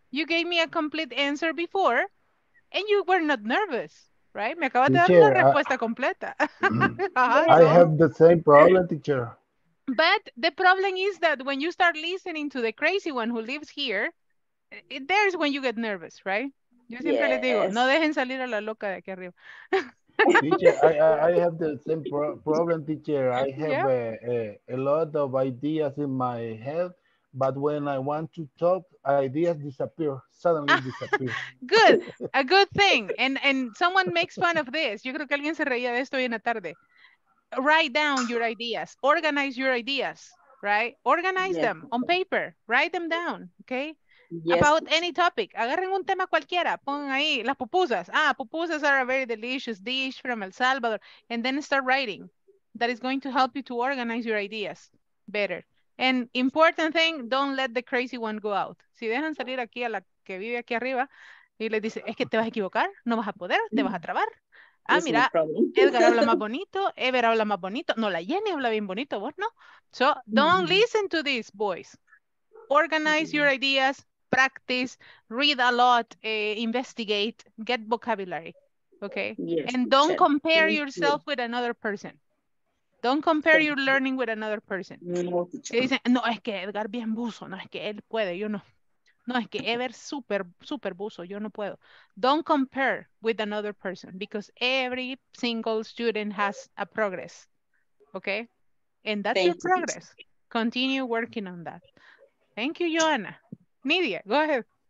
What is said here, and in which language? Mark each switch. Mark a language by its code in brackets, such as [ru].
[en] You gave me a complete answer before and you were not nervous, right? [es] Me acabas de dar la respuesta completa. [en] I have the same problem, teacher. But the problem is that when you start listening to the crazy one who lives here, there's when you get nervous, right? [es] Yo siempre le digo, no dejen salir a la loca de aquí arriba. [en] Teacher, I have the same problem, teacher. I have a lot of ideas in my head, but when I want to talk, ideas disappear, suddenly disappear. Good, a good thing. And someone makes fun of this. [es] Yo creo que alguien se reía de esto hoy en la tarde. [en] Write down your ideas. Organize your ideas, right? Organize them on paper. Write them down, okay? About any topic. [es] Agarren un tema cualquiera. Pongan ahí las pupusas. Ah, [en] pupusas are a very delicious dish from El Salvador. And then start writing. That is going to help you to organize your ideas better. And important thing, don't let the crazy one go out. [es] Si dejan salir aquí a la que vive aquí arriba y le dice, es que te vas a equivocar, no vas a poder, te vas a trabar. Ah, mira, Edgar habla más bonito, Ever habla más bonito. No, la Jenny habla bien bonito, vos no. [en] So don't listen to this voice. Organize your ideas, practice, read a lot, investigate, get vocabulary, okay? Yes, and don't compare yourself with another person. Don't compare your learning with another person. [es] No, dicen, no, es que Edgar bien buzo, no, es que él puede, yo no. No, es que Ever super, super buzo, yo no puedo. [en] Don't compare with another person because every single student has a progress, okay? And that's your progress. Continue working on that. Thank you, Joanna. Nidia, go ahead.